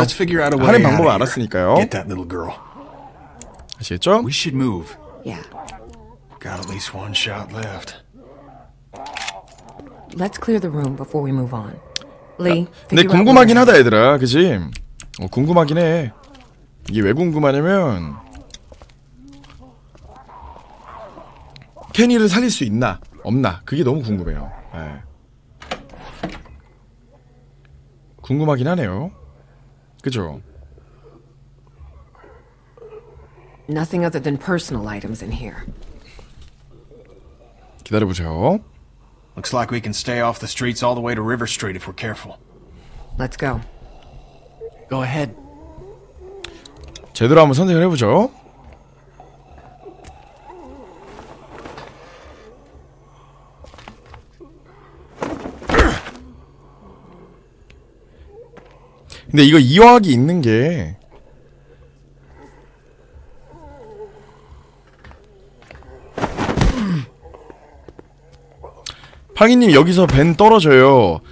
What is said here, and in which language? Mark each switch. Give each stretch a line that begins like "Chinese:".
Korean: 하는 방법을 알았으니까요. 아시겠죠?
English: We should move. Yeah. Got at least one shot left. Let's clear the room before we move on. Lee.
Korean: 근데 궁금하긴 하다 얘들아, 그지? 궁금하긴 해. 이게 왜 궁금하냐면. 케니를 살릴 수 있나 없나 그게 너무 궁금해요. 네. 궁금하긴 하네요. 그죠?
English: Nothing other than personal items in here.
Korean: 기다려 보세요.
English: Looks like we can stay off the streets all the way to River Street if we're careful. Let's go. Go ahead.
Korean: 제대로 한번 선택을 해보죠. 근데 이거 이화학이 있는 게 팡이님 여기서 벤 떨어져요.